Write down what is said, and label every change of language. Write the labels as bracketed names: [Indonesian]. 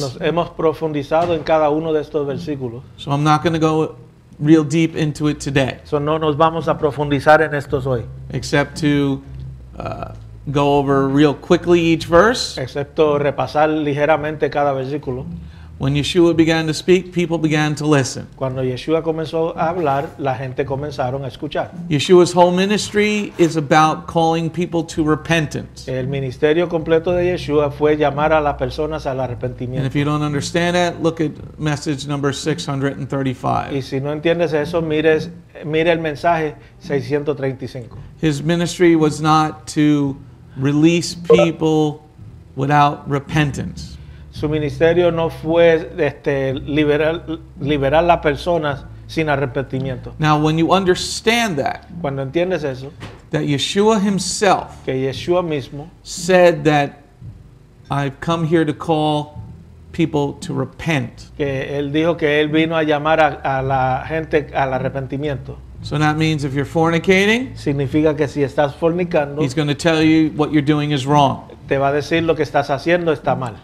[Spanish] Nos hemos profundizado en cada uno de estos versículos. [English] So I'm not going to go real deep into it today. [Spanish] So no nos vamos a profundizar en estos hoy. [English] Except to go over real quickly each verse. [Spanish] Excepto repasar ligeramente cada versículo. [English] When Yeshua began to speak, people began to listen. [Spanish] Cuando Yeshua comenzó a hablar, la gente comenzaron a escuchar. [English] Yeshua's whole ministry is about calling people to repentance. [Spanish] El ministerio completo de Yeshua fue llamar a las personas al arrepentimiento. [English] And if you don't understand that, look at message number 635. [Spanish] Y si no entiendes eso, mire el mensaje 635. [English] His ministry was not to release people without repentance. [Spanish] Su ministerio no fue liberar las personas sin arrepentimiento. [English] Now, when you understand that, [Spanish] cuando entiendes eso, [English] that Yeshua himself, [Spanish] que Yeshua mismo, [English] said that I've come here to call people to repent. [Spanish] Que él dijo que él vino a llamar a la gente al arrepentimiento. [English] So that means if you're fornicating, [Spanish] significa que si estás fornicando, [English] he's going to tell you what you're doing is wrong. [Spanish] Te va a decir lo que estás haciendo está mal.